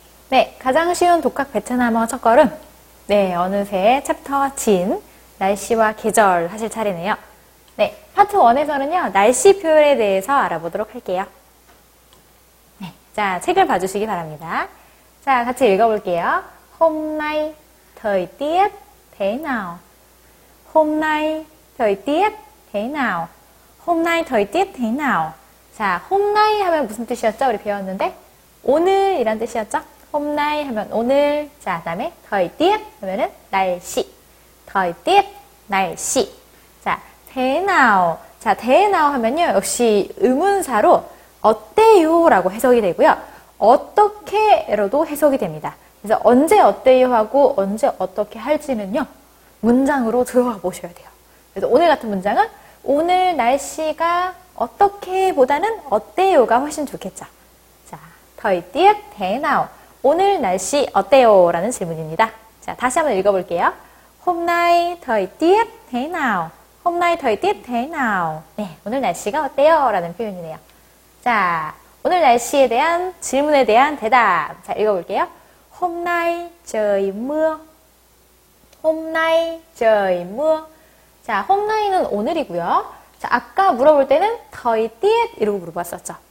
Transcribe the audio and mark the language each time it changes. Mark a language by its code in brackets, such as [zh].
[ko] 네, 가장 쉬운 독학 베트남어 첫 걸음. 네, 어느새 챕터 진, 날씨와 계절 하실 차례네요. 네, 파트 1에서는요, 날씨 표현에 대해서 알아보도록 할게요. 네, 자, 책을 봐주시기 바랍니다. 자, 같이 읽어볼게요. [vi] Hôm nay thời tiết thế nào? Hôm nay thời tiết thế nào? Hôm nay thời tiết thế nào? [ko] 자, hôm nay 하면 무슨 뜻이었죠? 우리 배웠는데? 오늘이란 뜻이었죠? hôm nay 하면 오늘, 자, 다음에 thời tiết 하면은 날씨, thời tiết 날씨. 자, thế nào, 자, thế nào 하면요 역시 의문사로 어때요라고 해석이 되고요, 어떻게로도 해석이 됩니다. 그래서 언제 어때요 하고 언제 어떻게 할지는요 문장으로 들어와 보셔야 돼요. 그래서 오늘 같은 문장은 오늘 날씨가 어떻게보다는 어때요가 훨씬 좋겠죠. 자, [vi] thời tiết thế nào? [ko] 오늘 날씨 어때요? 라는 질문입니다. 자, 다시 한번 읽어볼게요. [vi] Hôm nay thời tiết thế nào? Hôm nay thời tiết thế nào? [ko] 네, 오늘 날씨가 어때요? 라는 표현이네요. 자, 오늘 날씨에 대한 질문에 대한 대답. 자, 읽어볼게요. [vi] Hôm nay trời mưa. Hôm nay trời mưa. [ko] 자, hôm nay는 오늘이고요. 자, 아까 물어볼 때는 thời tiết 이러고 물어봤었죠.